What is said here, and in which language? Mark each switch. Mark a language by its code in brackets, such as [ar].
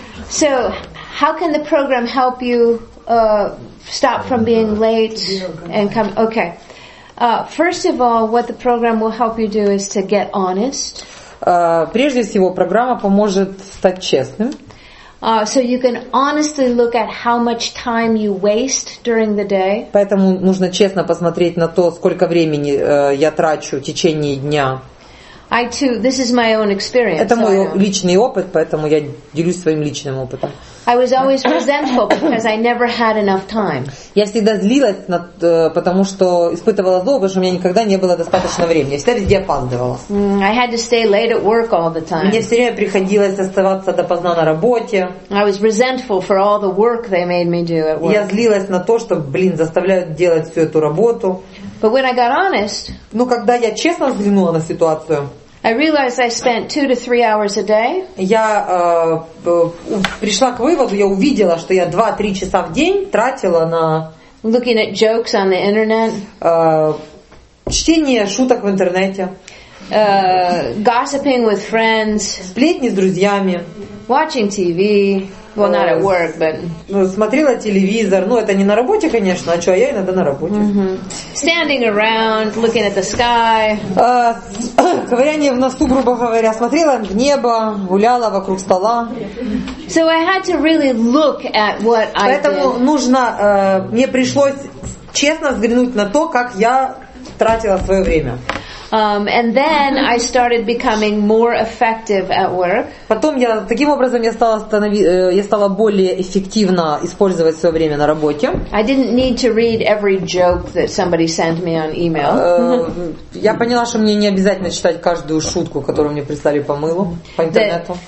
[en] So, how can the program help you stop from being late and come? Okay. First of all, what the program will help you do is to get honest. [ru] Прежде всего, программа поможет стать честным. [en] So you can honestly look at how much time you waste during the day. [ru] Поэтому нужно честно посмотреть на то, сколько времени я трачу в течение дня. [en] I too. This is my own experience. [ru] Это мой личный опыт, поэтому я делюсь своим личным опытом. [en] I was always resentful because I never had enough time. [ru] Я всегда злилась, потому что испытывала злобу, потому что у меня никогда не было достаточно времени. Я всегда везде опаздывала. [en] I had to stay late at work all the time. [ru] Мне все время приходилось оставаться допоздна на работе. [en] I was resentful for all the work they made me do at work. [ru] Я злилась на то, что, блин, заставляют делать всю эту работу. [en] But when I got honest, [ru] ну когда я честно взглянула на ситуацию, [en] I realized I spent 2 to 3 hours a day. [ru] Я пришла к выводу, я увидела, что я 2-3 часа в день тратила на [en] looking at jokes on the internet. [ru] Чтение шуток в интернете. [en] Gossiping with friends. [ru] Сплетни с друзьями. [en] Watching TV. Well, not at work, but. [ru] Смотрела телевизор. Ну, это не на работе, конечно. А что, я иногда на работе. [en] Standing around, looking at the sky. [ru] Ковыряние в носу, грубо говоря. Смотрела в небо, гуляла вокруг стола. [en] So I had to really look at what I did. [ru] Поэтому нужно, мне пришлось честно взглянуть на то, как я тратила свое время. [en] And then I started becoming more effective at work. [ru] Потом я таким образом я стала более эффективно использовать свое время на работе. [en] I didn't need to read every joke that somebody sent me on email. [ru] Я поняла, что мне не обязательно читать каждую шутку, которую мне прислали по мылу по интернету.